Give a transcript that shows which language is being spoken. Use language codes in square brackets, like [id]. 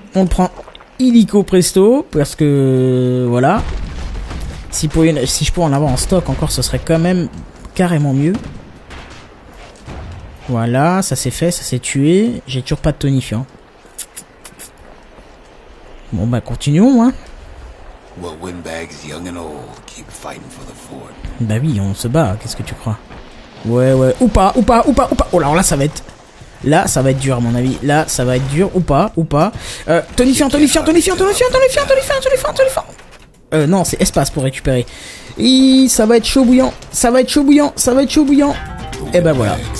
[fr] On le prend illico presto, parce que. Voilà. Si je pouvais en avoir en stock encore, ce serait quand même carrément mieux. Voilà, ça s'est fait, ça s'est tué. J'ai toujours pas de tonifiant. Bon bah continuons, hein. [en] Well, Windbags, young and old, keep fighting for the fort. [fr] Bah oui, on se bat, qu'est-ce que tu crois? Ouais, ouais, ou pas, ou pas, ou pas, ou pas. Oh là, alors là, ça va être... Là, ça va être dur, à mon avis. Là, ça va être dur, ou pas, ou pas. Tonifiant, tonifiant, tonifiant, tonifiant, tonifiant, tonifiant, tonifiant, tonifiant. Non, c'est espace pour récupérer. Et ça va être chaud bouillant. Ça va être chaud bouillant. Ça va être chaud bouillant. Et ben voilà.